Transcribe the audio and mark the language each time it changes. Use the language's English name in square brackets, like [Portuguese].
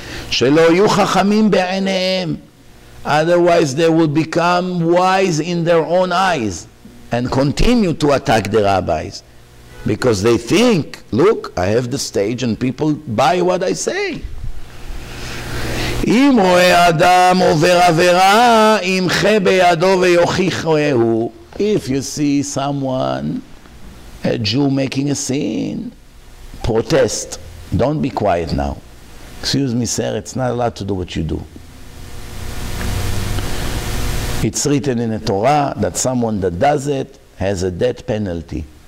[Hebrew] שלא יהיו חכמים בעיניהם, [English] otherwise they will become wise in their own eyes and continue to attack the rabbis because they think, look, I have the stage and people buy what I say. [Hebrew] אם רואה אדם עובר עבירה, ימחה בידו ויוכיחהו. [English] If you see someone, a Jew making a sin, protest. Don't be quiet now. Excuse me, sir, it's not allowed to do what you do. It's written in the Torah that someone that does it has a death penalty.